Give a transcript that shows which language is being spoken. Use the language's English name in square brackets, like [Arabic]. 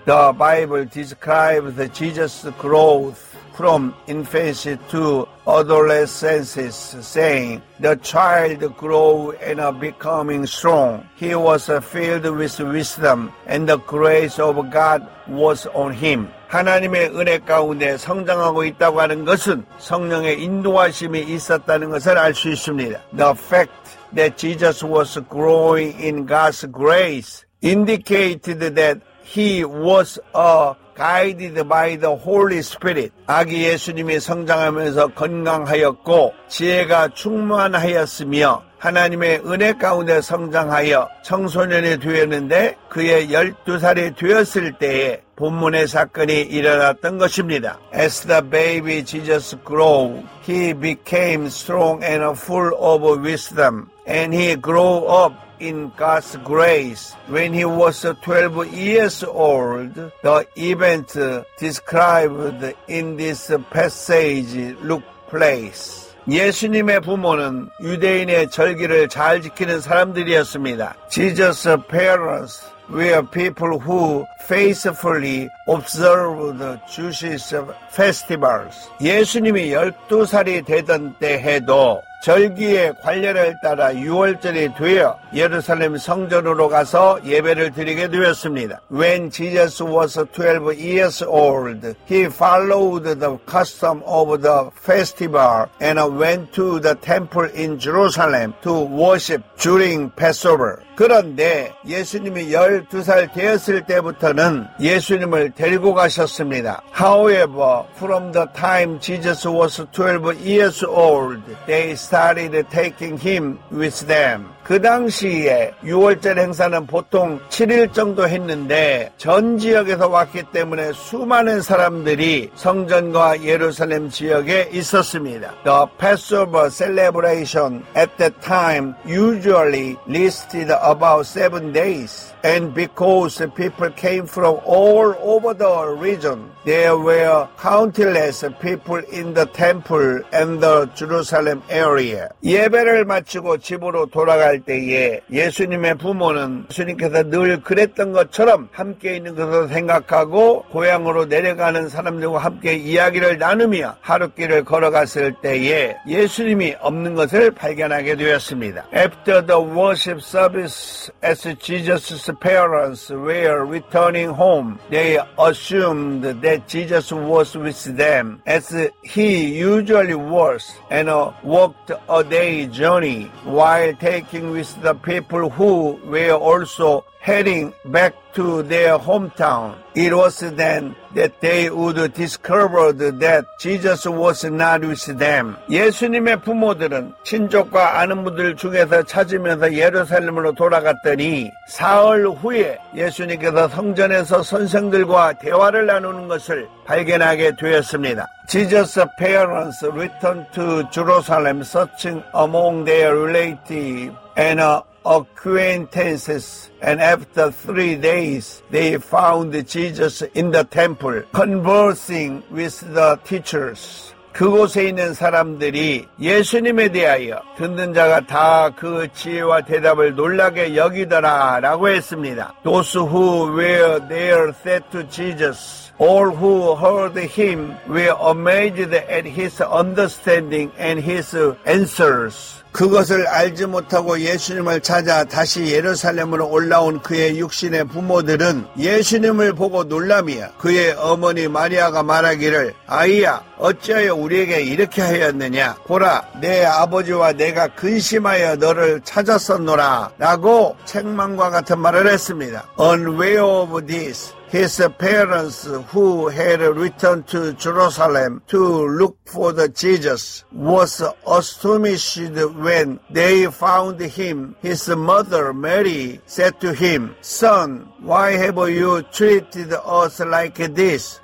[English] The Bible describes Jesus' growth from infancy to adolescence, saying, The child grew and becoming strong. He was filled with wisdom, and the grace of God was on him. [Korean] 하나님의 은혜 가운데 성장하고 있다고 하는 것은 성령의 인도하심이 있었다는 것을 알 수 있습니다. [English] The fact that Jesus was growing in God's grace indicated that he was guided by the Holy Spirit. [Korean] 아기 예수님이 성장하면서 건강하였고 지혜가 충만하였으며 하나님의 은혜 가운데 성장하여 청소년이 되었는데 그의 12살이 되었을 때에 본문의 사건이 일어났던 것입니다. [English] As the baby Jesus grew, he became strong and full of wisdom, and he grew up in God's grace. When he was 12 years old, the event described in this passage took place. [Korean] 예수님의 부모는 유대인의 절기를 잘 지키는 사람들이었습니다. [English] Jesus' parents were people who faithfully observed Jewish festivals. [Korean] 예수님이 12살이 되던 때에도 절기의 관례를 따라 유월절이 되어 예루살렘 성전으로 가서 예배를 드리게 되었습니다. [English] When Jesus was 12 years old, he followed the custom of the festival and went to the temple in Jerusalem to worship during Passover. [Korean] 그런데 예수님이 12살 되었을 때부터는 예수님을 데리고 가셨습니다. [English] However, from the time Jesus was 12 years old, they started taking him with them. [Korean] 그 당시에 유월절 행사는 보통 7일 정도 했는데 전 지역에서 왔기 때문에 수많은 사람들이 성전과 예루살렘 지역에 있었습니다. [English] The Passover celebration at that time usually lasted about 7 days. And because people came from all over the region, there were countless people in the temple and the Jerusalem area. [Korean] 예배를 마치고 집으로 돌아갈 때에 예수님의 부모는 예수님께서 늘 그랬던 것처럼 함께 있는 것을 생각하고 고향으로 내려가는 사람들과 함께 이야기를 나누며 하룻길을 걸어갔을 때에 예수님이 없는 것을 발견하게 되었습니다. [English] After the worship service, as Jesus' parents were returning home, they assumed that Jesus was with them, as he usually was, and walked a day's journey while taking with the people who were also heading back to their hometown. It was then that they would discover that Jesus was not with them. [Korean] 예수님의 부모들은 친족과 아는 분들 중에서 찾으면서 예루살렘으로 돌아갔더니 사흘 후에 예수님께서 성전에서 선생들과 대화를 나누는 것을 발견하게 되었습니다. [English] Jesus' parents returned to Jerusalem searching among their relatives and acquaintances, and after 3 days, they found Jesus in the temple, conversing with the teachers. [Korean] 그곳에 있는 사람들이 예수님에 대하여 듣는 자가 다 그 지혜와 대답을 놀라게 여기더라 라고 했습니다. [English] Those who were there said to Jesus, all who heard him were amazed at his understanding and his answers. [Korean] 그것을 알지 못하고 예수님을 찾아 다시 예루살렘으로 올라온 그의 육신의 부모들은 예수님을 보고 놀라며 그의 어머니 마리아가 말하기를 아이야 어찌하여 우리에게 이렇게 하였느냐 보라 내 아버지와 내가 근심하여 너를 찾았었노라 라고 책망과 같은 말을 했습니다. [English] Unaware of this, his parents who had returned to Jerusalem to look for the Jesus was astonished when they found him. His mother, Mary, said to him, Son, why have you treated us like this?